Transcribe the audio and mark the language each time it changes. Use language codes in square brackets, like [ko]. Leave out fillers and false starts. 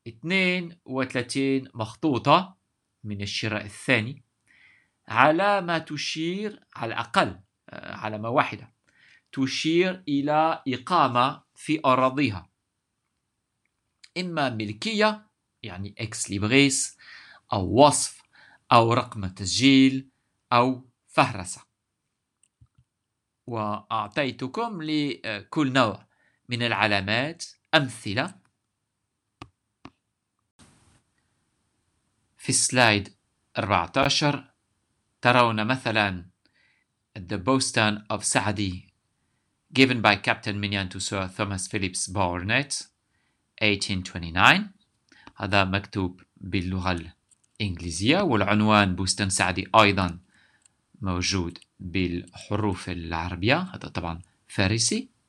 [ar] 32 مخطوطة من الشراء الثاني على ما تشير، على الأقل علامة واحدة تشير إلى إقامة في أراضيها، إما ملكية يعني إكس ليبريس أو وصف أو رقم تسجيل أو فهرسة. وأعطيتكم لكل نوع من العلامات أمثلة في سلايد 14. ترون مثلا [en] The Boston of Saadi given by Captain Minion to Sir Thomas Phillips Barnett 1829. [ar] هذا مكتوب باللغة الإنجليزية، والعنوان بوستان سعدي أيضا موجود بالحروف العربية، هذا طبعا فارسي.